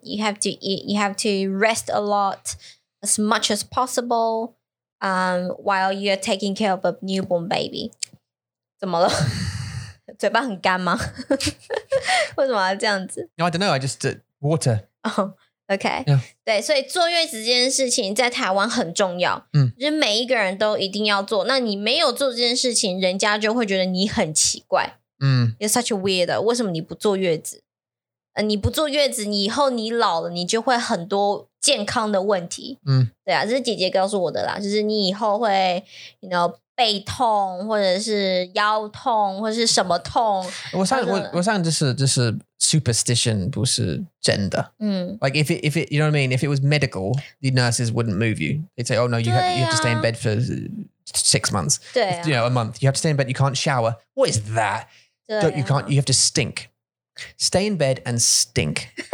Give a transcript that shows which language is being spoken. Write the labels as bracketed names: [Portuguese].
[English] You have to rest a lot as much as possible、while you're taking care of a newborn baby. [Chinese] 怎么了嘴巴很干吗？为什么要这样子 [English] ？No, I don't know. I just did water. Oh, okay. Yeah. [Chinese] 对，所以坐月子这件事情在台湾很重要。嗯，就是每一个人都一定要做。那你没有做这件事情，人家就会觉得你很奇怪。嗯 [English] ，You're such a weirdo. [Chinese] 为什么你不坐月子？你不坐月子，你以后你老了，你就会很多健康的问题。嗯，对啊，这是姐姐告诉我的啦。就是你以后会 ， [English] you know。 [Chinese] 背痛或者是腰痛或者是什么痛我想我想这是这是 superstition 不是真的嗯 [English] like if it you know what I mean if it was medical the nurses wouldn't move you they'd say oh no you have to stay in bed for 6 months [Chinese] 对、啊、 [English] you know a month you have to stay in bed you can't shower what is that、啊、 don't you can't you have to stink stay in bed and stink